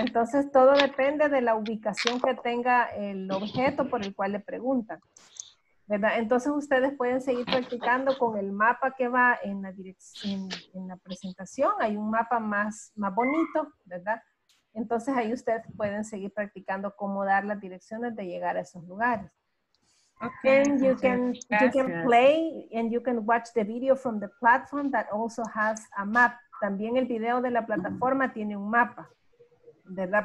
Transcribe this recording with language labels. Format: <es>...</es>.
<es>Entonces, todo depende de la ubicación que tenga el objeto por el cual le preguntan, ¿verdad? Entonces, ustedes pueden seguir practicando con el mapa que va en la dirección, en la presentación. Hay un mapa más bonito, ¿verdad? Entonces, ahí ustedes pueden seguir practicando cómo dar las direcciones de llegar a esos lugares. Okay.</es> <en>And you can play and you can watch the video from the platform that also has a map.</en> <es>También el video de la plataforma tiene un mapa, ¿verdad?</es>